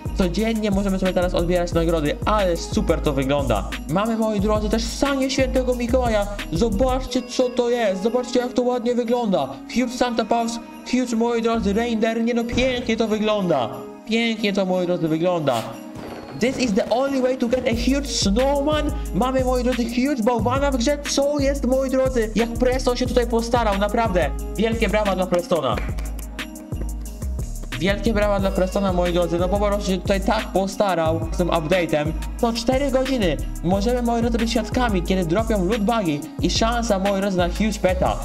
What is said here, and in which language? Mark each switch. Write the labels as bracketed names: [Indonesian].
[Polish] Codziennie możemy sobie teraz odbierać nagrody. Ale super to wygląda. Mamy, moi drodzy, też sanie świętego Mikołaja. Zobaczcie, co to jest. Zobaczcie, jak to ładnie wygląda. Huge Santa Paws, huge, moi drodzy, reindeer. Nie no, pięknie to wygląda. Pięknie to, moi drodzy, wygląda. [English] This is the only way to get a huge snowman. [Polish] Mamy, moi drodzy, huge bałwana w grze. Co jest, moi drodzy? Jak Preston się tutaj postarał, naprawdę. Wielkie brawa dla Prestona. Wielkie brawa dla Prestona, moi drodzy, no bo po prostu się tutaj tak postarał z tym update'em. To 4 godziny, możemy, moi drodzy, być świadkami, kiedy dropią loot bugi i szansa, moi drodzy, na huge peta.